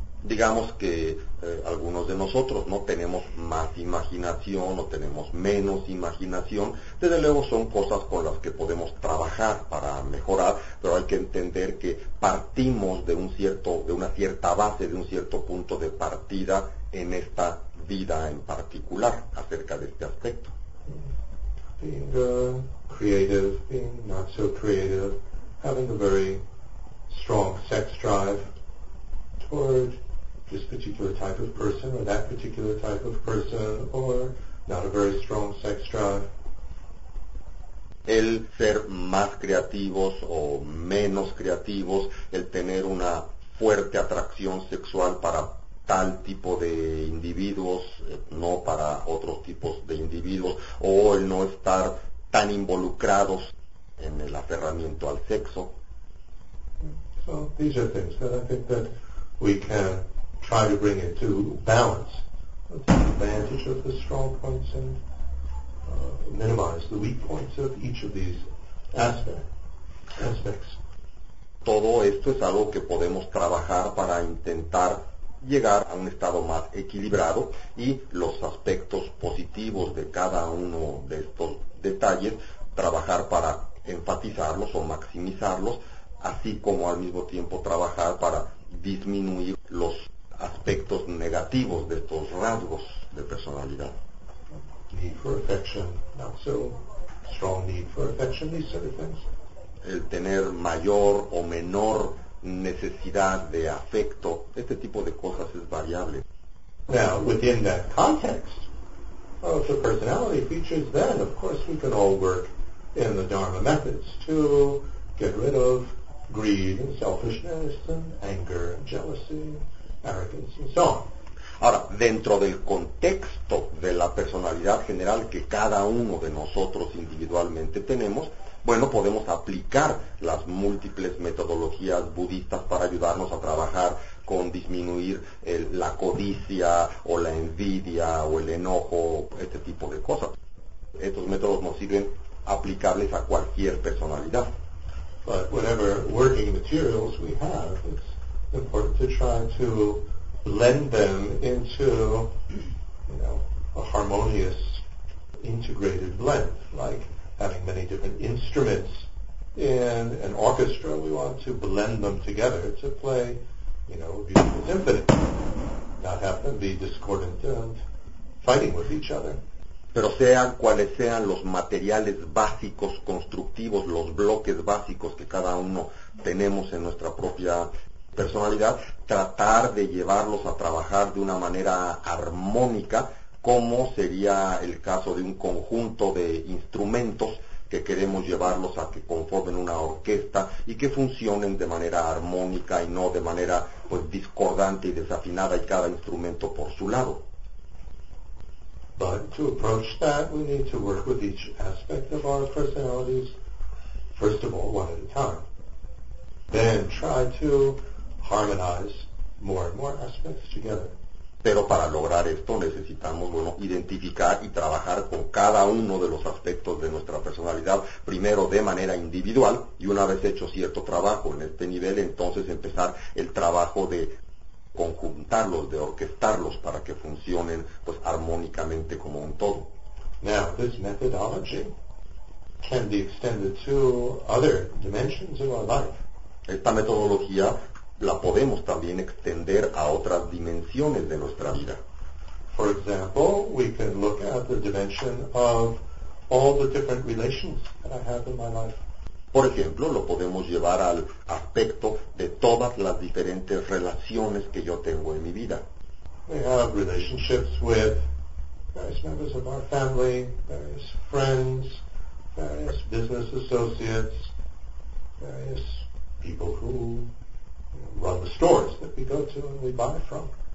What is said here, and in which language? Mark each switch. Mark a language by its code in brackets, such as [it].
[es] Digamos que algunos de nosotros no tenemos más imaginación o tenemos menos imaginación. Desde luego son cosas con las que podemos trabajar para mejorar, pero hay que entender que partimos de una cierta base, de un cierto punto de partida en esta vida en particular acerca de este aspecto. [en] Being creative, being not so creative, having a very strong sex drive toward this particular type of person or that particular type of person, or not a very strong sex drive. [es] El ser más creativos o menos creativos, el tener una fuerte atracción sexual para tal tipo de individuos, no para otros tipos de individuos, o el no estar tan involucrados en el aferramiento al sexo. [en] So these are things that I think that we can try to bring into balance, take advantage of the strong points and minimize the weak points of each of these aspects. [es] Todo esto es algo que podemos trabajar para intentar llegar a un estado más equilibrado, y los aspectos positivos de cada uno de estos detalles, trabajar para enfatizarlos o maximizarlos, así como al mismo tiempo trabajar para disminuir los aspectos negativos de estos rasgos de personalidad. [en] Need for affection, not so strong need for affection, these sort of things. [es] El tener mayor o menor necesidad de afecto, este tipo de cosas es variable. [en] Now, within that context of the personality features, then, of course, we can all work in the Dharma methods to get rid of greed and selfishness and anger and jealousy, arrogance and so on. [es] Ahora, dentro del contexto de la personalidad general que cada uno de nosotros individualmente tenemos, bueno, podemos aplicar las múltiples metodologías budistas para ayudarnos a trabajar con disminuir la codicia o la envidia o el enojo, este tipo de cosas. Estos métodos nos sirven. sirven aplicables a cualquier personalidad. [en] But whatever working materials we have, it's important to try to blend them into, you know, a harmonious, integrated blend, like having many different instruments in an orchestra. We want to blend them together to play, you know, a beautiful symphony, not have them be discordant and fighting with each other. [es] Pero sean cuales sean los materiales básicos, constructivos, los bloques básicos que cada uno tenemos en nuestra propia personalidad, tratar de llevarlos a trabajar de una manera armónica, como sería el caso de un conjunto de instrumentos que queremos llevarlos a que conformen una orquesta y que funcionen de manera armónica y no de manera pues discordante y desafinada y cada instrumento por su lado. [en] But to approach that, we need to work with each aspect of our personalities, first of all, one at a time. Then try to harmonize more and more aspects together. [es] Pero para lograr esto necesitamos, bueno, identificar y trabajar con cada uno de los aspectos de nuestra personalidad, primero de manera individual, y una vez hecho cierto trabajo en este nivel, entonces empezar el trabajo de conjuntarlos, de orquestarlos para que funcionen pues armónicamente como un todo. [en] Now, this methodology can be extended to other dimensions of our life. [es] Esta metodología la podemos también extender a otras dimensiones de nuestra vida. [en] For example, we can look at the dimension of all the different relations that I have in my life. [es] Por ejemplo, lo podemos llevar al aspecto de todas las diferentes relaciones que yo tengo en mi vida. [en] We have relationships with various members of our family, various friends, various business associates, various people who run the stores that we go to and we buy from.